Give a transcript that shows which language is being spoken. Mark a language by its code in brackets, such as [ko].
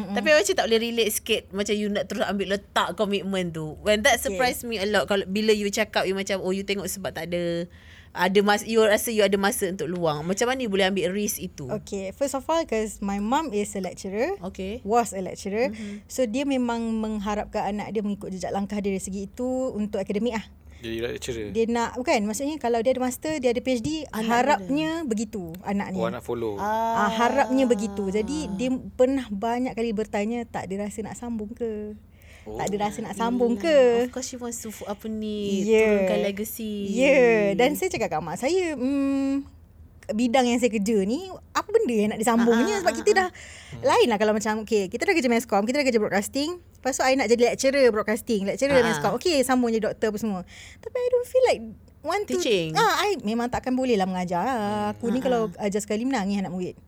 [ms] Tapi macam tak boleh relate sikit, macam you nak terus ambil letak commitment tu. [en] When that surprise me a lot, [ms] kalau bila you cakap you macam, oh you tengok sebab tak ada, ada masa, you rasa you ada masa untuk luang. Macam mana you boleh ambil risk itu? [en] Okay, first of all, because my mom is a lecturer. Okay. Was a lecturer. [ms] So dia memang mengharapkan anak dia mengikut jejak langkah dia dari segi itu untuk akademik lah. Dia nak, bukan, maksudnya kalau dia ada master, dia ada PhD, anak harapnya dia begitu anak ni. Oh, anak follow. Harapnya begitu. Jadi dia pernah banyak kali bertanya, tak ada rasa nak sambung ke? Tak ada rasa nak sambung ke? [en] Of course she wants to [ms] apa ni, turunkan [en] legacy. [ms] Ya, dan saya cakap kat mak saya, bidang yang saya kerja ni, apa benda yang nak disambungnya? Sebab kita dah lain lah kalau macam, okay, kita dah kerja meskom, kita dah kerja broadcasting. Lepas tu [en] I nak jadi [ms] lecturer broadcasting, lecturer meskom. Okay, sambung jadi doktor apa semua. [en] Tapi I don't feel like want teaching. [ms] To I memang takkan boleh lah mengajar. Aku ni kalau ajar sekali menangis anak murid.